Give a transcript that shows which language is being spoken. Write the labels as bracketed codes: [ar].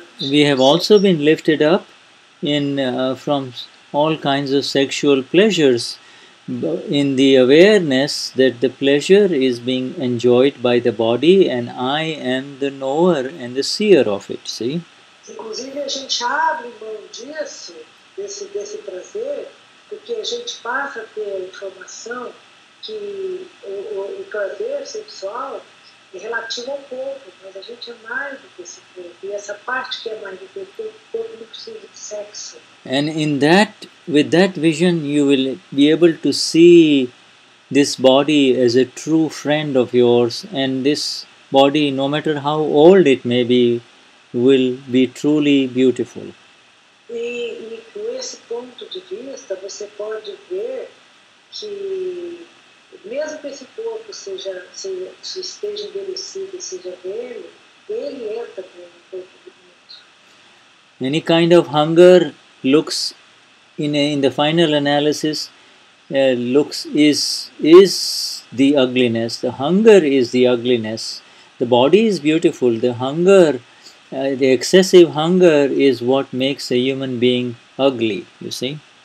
[en] We have also been lifted up from all kinds of sexual pleasures in the awareness that the pleasure is being enjoyed by the body and I am the knower and the seer of it, see? [pt] Inclusive, a gente abre mão disso, desse prazer, porque a gente passa a ter a informação que o prazer sexual relativo ao corpo, mas a gente é mais do que esse corpo. E essa parte que é mais do que o corpo não precisa de sexo. [en] And in that, with that vision, you will be able to see this body as a true friend of yours. And this body, no matter how old it may be, will be truly beautiful. [pt] E com esse ponto de vista, você pode ver que... Mesmo que esse corpo esteja envelhecido, seja velho, ele é também um corpo bonito. [en] Any kind of hunger looks, in the final analysis, is the ugliness. The hunger is the ugliness. The body is beautiful. The hunger, the excessive hunger is what makes a human being ugly, you see.